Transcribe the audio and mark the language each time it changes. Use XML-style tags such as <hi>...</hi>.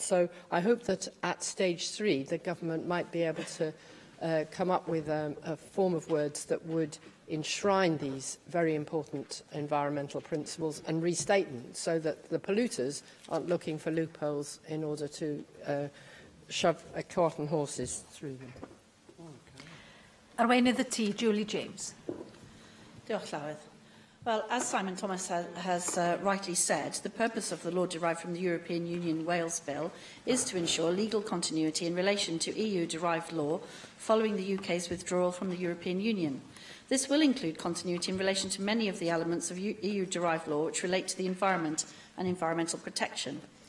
<en>So I hope that at stage three, the government might be able to come up with a form of words that would enshrine these very important environmental principles and restate them so that the polluters aren't looking for loopholes in order to shove a cart and horses through them.</en> <cy>Arweinydd y tŷ, Julie James. Diolch, Llywydd.</cy> <en>Well, as Simon Thomas has rightly said, the purpose of the law derived from the European Union Wales Bill is to ensure legal continuity in relation to EU-derived law following the UK's withdrawal from the European Union. This will include continuity in relation to many of the elements of EU-derived law which relate to the environment and environmental protection.</en>